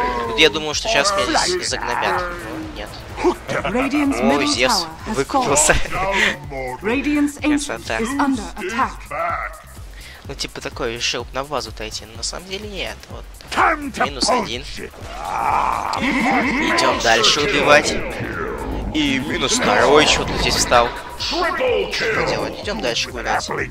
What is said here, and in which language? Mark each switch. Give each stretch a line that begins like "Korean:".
Russian: Тут я думал, что сейчас меня здесь загнобят. Нет.
English: Radiant's middle tower has fallen. Radiant's ancient is under attack.
Russian: Ну типа такой решил на базу отойти, но на самом деле нет. Вот минус один. Идем дальше убивать. И минус второй, что-то здесь встал. Что поделать, идем дальше гулять.